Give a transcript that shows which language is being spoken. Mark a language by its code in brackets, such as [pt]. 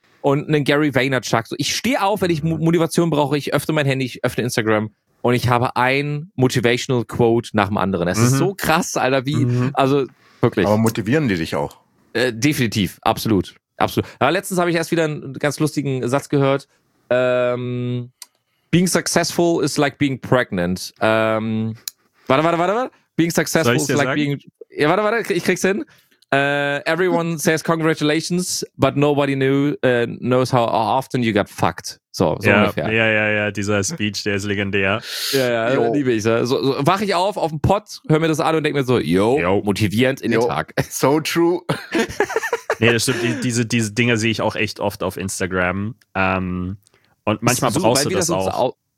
[de] Und einen Gary Vaynerchuk. So, ich stehe auf, wenn ich Motivation brauche. Ich öffne mein Handy, ich öffne Instagram. Und ich habe ein Motivational Quote nach dem anderen. Es ist so krass, Alter. Also wirklich. Aber motivieren die dich auch? Definitiv. Absolut. Absolut. Aber letztens habe ich erst wieder einen ganz lustigen Satz gehört. [en] Being successful is like being pregnant. [de] Warte. [en] Being successful is like being... [de] Ja, warte, ich krieg's hin. [en] Everyone says congratulations, but nobody knows how often you got fucked. [de] So ungefähr. Ja, dieser Speech, der ist legendär. Ja, liebe ich. So, wach ich auf dem Pott, hör mir das an und denk mir so, motivierend in den Tag. [en] So true. [de] Nee, das stimmt. Diese Dinger sehe ich auch echt oft auf Instagram. Und manchmal brauchst du das auch.